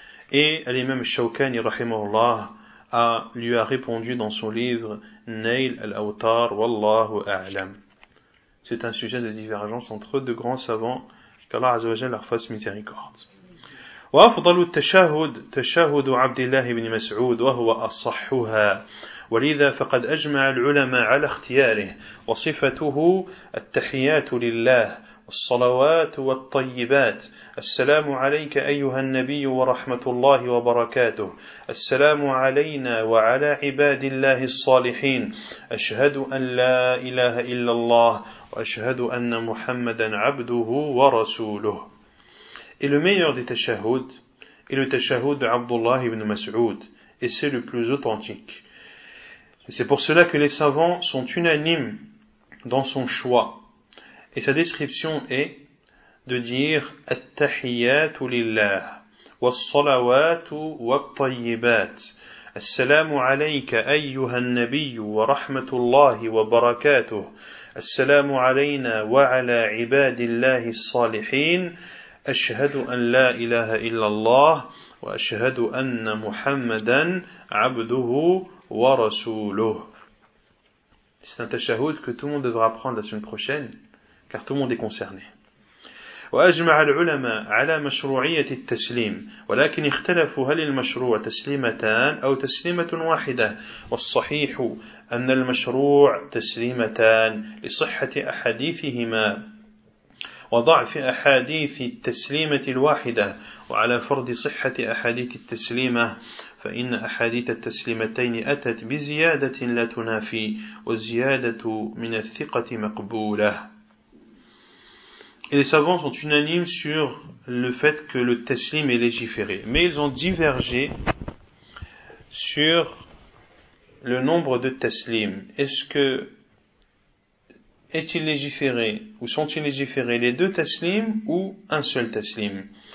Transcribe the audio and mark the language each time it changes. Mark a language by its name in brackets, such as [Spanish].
[French] Et l'imam al-Shawkani, rahimahullah, lui a répondu dans son livre Nail al-Awtar, wallahu a'lam. C'est un sujet de divergence entre deux grands savants, qu'Allah azawajal leur fasse miséricorde. [Arabic] وأفضل التشهد تشهد عبد الله بن مسعود وهو أصحها ولذا فقد أجمع العلماء على اختياره وصفته التحيات لله والصلوات والطيبات السلام عليك أيها النبي ورحمة الله وبركاته السلام علينا وعلى عباد الله الصالحين أشهد أن لا إله إلا الله وأشهد أن محمدا عبده ورسوله. [French] Et le meilleur des tashahhud est le tashahhud d'Abdullah ibn Mas'ud, et c'est le plus authentique. Et c'est pour cela que les savants sont unanimes dans son choix. Et sa description est de dire [Arabic] « At-tahiyyatu lillah, was-salawatu wa-t-tayyibat, as-salamu alayka ayyuhan nabiyu wa rahmatullahi wa barakatuh, as-salamu alayna wa ala ibadillahi s-salihin » أشهد أن لا إله إلا الله وأشهد أن محمدا عبده ورسوله. [French] C'est un tashahhud que tout le monde devra apprendre la semaine prochaine, car tout le monde est concerné. [Arabic] وأجمع العلماء على مشروعية التسليم ولكن اختلفوا هل المشروع تسليمتان أو تسليمة واحدة والصحيح أن المشروع تسليمتان لصحة أحاديثهما وضعف أحاديث التسليمة الواحدة وعلى فرض صحة أحاديث التسليمة فإن أحاديث التسليمتين أتت بزيادة لا تنافي والزيادة من الثقة مقبولة. [French] Et les savants sont unanimes sur le fait que le taslim est légiféré. Mais ils ont divergé sur le nombre de taslim. Est-il légiféré ou sont-ils légiférés les deux taslim ou un seul taslim?